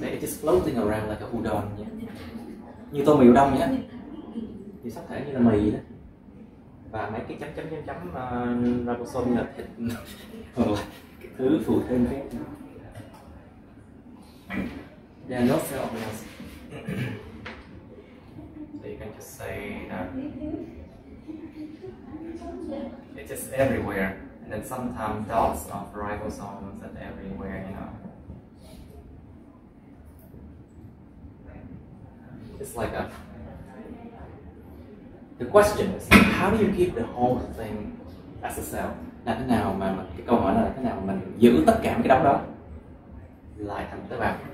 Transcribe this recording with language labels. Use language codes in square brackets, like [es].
[en] It's just floating around like a udon, yeah? [vi] Như tô mì udon nhé. Thì sắc thể như là mì đó. Và mấy cái chấm ribosome như là thịt. Cái thứ phụ thêm phép. [en] There are no cell organelles. So you can just say that it's just everywhere, and then sometimes dots of ribosomes are everywhere, you know. It's like a... The question is, how do you keep the whole thing as a cell? [vi] Là thế nào mà, cái câu hỏi là thế nào mà mình giữ tất cả cái đống đó lại thành tế bào?